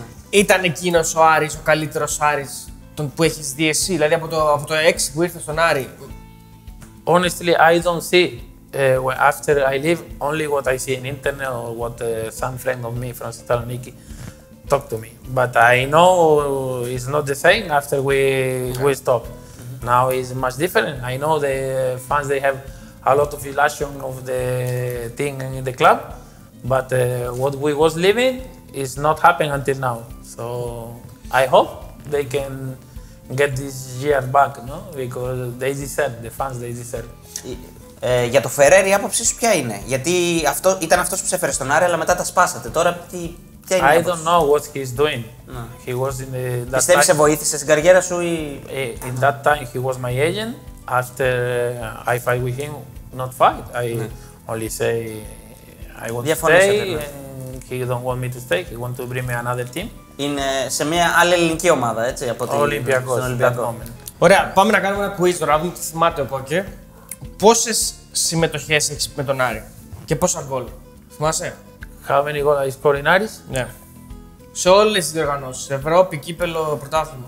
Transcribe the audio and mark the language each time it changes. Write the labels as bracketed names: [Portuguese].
[Greek] Ήταν εκείνος ο Άρης, ο καλύτερος Άρης που έχεις δει εσύ, δηλαδή από το 6 που ήρθες στον Άρη. [English] Honestly, I don't see after I leave only what I see in internet or what some friend of me from Thessaloniki talk to me. But I know it's not the same after we stop. Mm-hmm. Now it's much different. I know the fans, they have a lot of elation of the thing in the club, but what we was living is not happening until now. So I hope they can get this year back, no? Because they deserve, the fans, they deserve. [Greek] για το Φερέρ, η άποψή σου ποια είναι? Γιατί αυτό, ήταν αυτός που σε έφερε στον Άρη, αλλά μετά τα σπάσατε. Τώρα τι, ποια είναι η άποψή σου? [English] I don't know what he's doing. Yeah. He was in that [Greek] πιστεύεις [English] time... [Greek] σε βοήθησε στην καριέρα σου ή... [English] In that time he was my agent. After I fight with him, not fight. I only say I want to stay and he don't want me to stay. He want to bring me another team. [Greek] Είναι σε μια άλλη ελληνική ομάδα, έτσι, από την Ολυμπιακός. Ωραία, πάμε να κάνουμε ένα quiz τώρα, να δούμε τι θυμάται ο Κόκε. Πόσες συμμετοχές έχεις με τον Άρη και πόσα γκολ, θυμάσαι? [English] How many goals I scored in Aris? [Greek] Ναι. Σε όλες τις διοργανώσεις, Ευρώπη, Κύπελλο, Πρωτάθλημα.